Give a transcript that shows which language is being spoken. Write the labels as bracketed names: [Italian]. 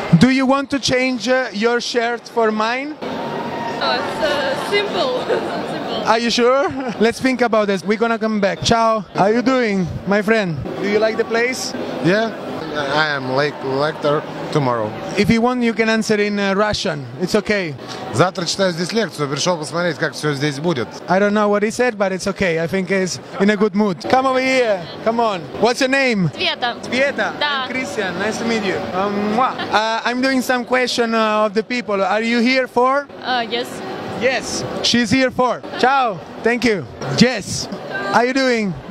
[English] Do you want to change your shirt for mine? Oh, it's simple. Are you sure? Let's think about this. We're gonna come back. Ciao. How are you doing, my friend? Do you like the place? Yeah. I am late lecture tomorrow. If you want, you can answer in Russian. It's okay. [Russian] Завтра читаю здесь лекцию, пришел посмотреть, как все здесь будет. [English] I don't know what he said, but it's okay. I think he's in a good mood. Come over here. Come on. What's your name? [Russian] Света. Света? Да. [English] I'm Cristian. Nice to meet you. I'm doing some question of the people. Are you here for? Yes. Yes. She's here for. Ciao. Thank you. Yes. How you doing?